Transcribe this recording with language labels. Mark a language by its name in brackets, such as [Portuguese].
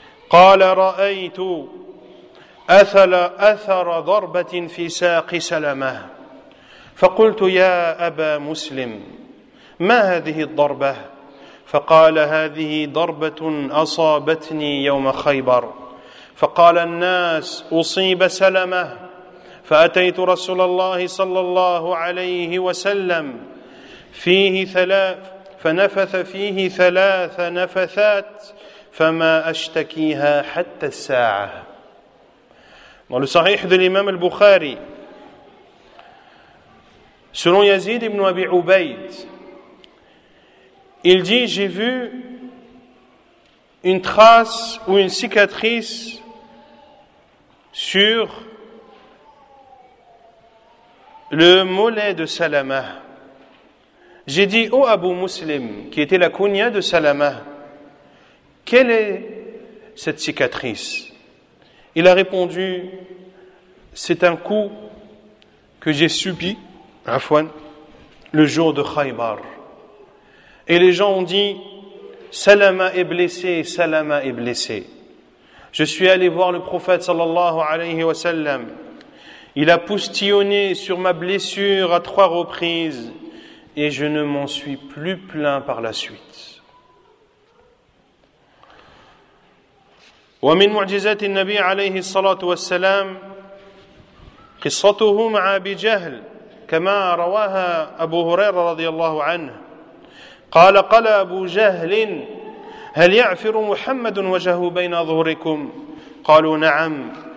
[Arabic] قال رأيت أثر ضربة في ساق سلمة فقلت يا أبا مسلم ما هذه الضربة فقال هذه ضربة أصابتني يوم خيبر فقال الناس أصيب سلمة فأتيت رسول الله صلى الله عليه وسلم فيه ثلاث فنفث فيه ثلاث نفثات فما أشتكيها حتى الساعة. [French] Dans le Sahih de l'imam al-Bukhari, selon Yazid ibn Abi Ubaid, il dit: j'ai vu une trace ou une cicatrice sur le mollet de Salama. J'ai dit: ô Abu Muslim, qui était la kunya de Salama, quelle est cette cicatrice? Il a répondu: c'est un coup que j'ai subi, Afwan, le jour de Khaybar. Et les gens ont dit: Salama est blessé, Salama est blessé. Je suis allé voir le prophète sallallahu alayhi wa sallam. Il a postillonné sur ma blessure à trois reprises et je ne m'en suis plus plaint par la suite. [Arabic] ومن معجزات النبي عليه الصلاة والسلام قصته مع أبي جهل كما رواها أبو هريرة رضي الله عنه قال: قال أبو جهل: هل يعفر محمد وجهه بين ظهركم؟ قالوا: نعم.